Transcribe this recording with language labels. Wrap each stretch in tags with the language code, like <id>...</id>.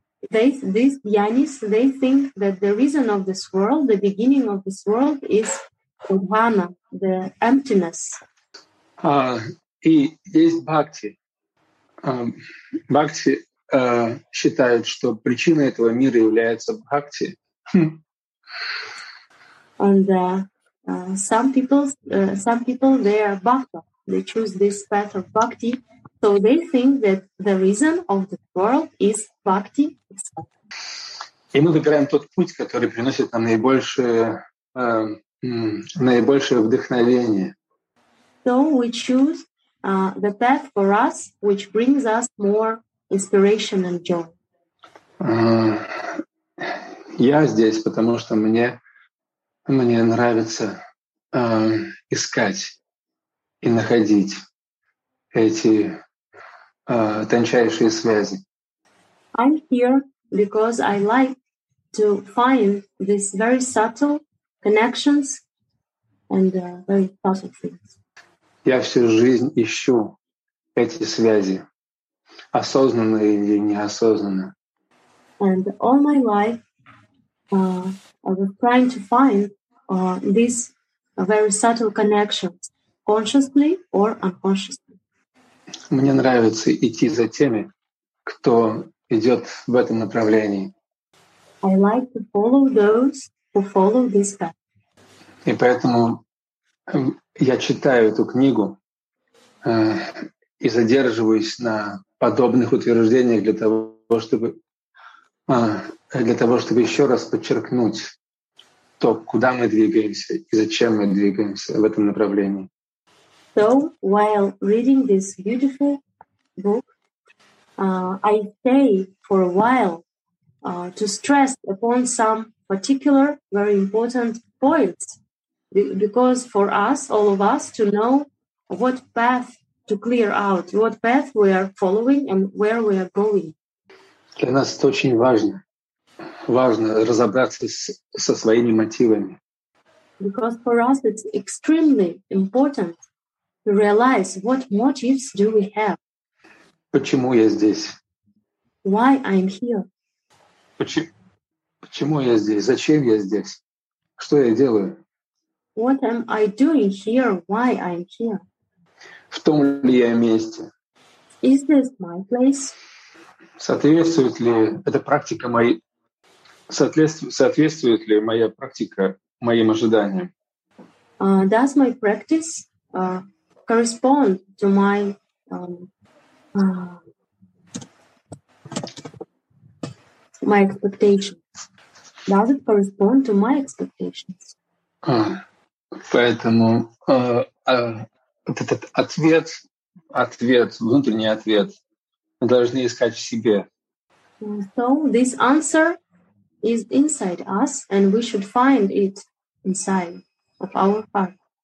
<en>These jnanis, they think that the reason of this world, the beginning of this world, is prādhāna, the emptiness.</en> <ru>И есть бхакти. Бхакти считают, что причиной этого мира является бхакти.</ru> <en>And some people they are bhakta. They choose this path of bhakti, so they think that the reason of the world is bhakti.</en> <ru>И мы выбираем тот путь, который приносит нам наибольшее вдохновение.</ru> <en>So we choose the path for us which brings us more inspiration and joy.</en> <ru>Я здесь, потому что мне нравится искать и находить эти тончайшие связи.</ru> <en>I'm here because I like to find these very subtle connections and very subtle things.</en> <ru>Я всю жизнь ищу эти связи, осознанно или неосознанно.</ru> <en>And all my life I was trying to find these very subtle connections, consciously or unconsciously.</en> <ru>Мне нравится идти за теми, кто идет в этом направлении.</ru> <en>I like to follow those who follow this path.</en> <ru>И поэтому я читаю эту книгу и задерживаюсь на подобных утверждениях для того, чтобы еще раз подчеркнуть то, куда мы двигаемся и зачем мы двигаемся в этом направлении.</ru> <en>So while reading this beautiful book, I stay for a while to stress upon some particular very important points, because for us, all of us, to know what path to clear out, what path we are following and where we are going.</en> <ru>Для нас это очень важно. Важно разобраться со своими мотивами.</ru> <en>Because for us it's extremely important to realize what motives do we have.</en> <ru>Почему я здесь?</ru> <en>Why I'm here?</en> <ru>Почему я здесь? Зачем я здесь? Что я делаю?</ru> <en>What am I doing here? Why I'm here?</en> <ru>В том ли я месте?</ru> <en>Is this my place?</en> <ru>Соответствует ли эта практика соответствует ли моя практика моим ожиданиям?</ru> <en>Does my practice correspond to my my expectations? Does it correspond to my expectations?</en> <ru>Поэтому этот ответ внутренний ответ мы должны искать в себе.</ru> <en>So this answer is inside us, and we should find it inside of our heart.</en>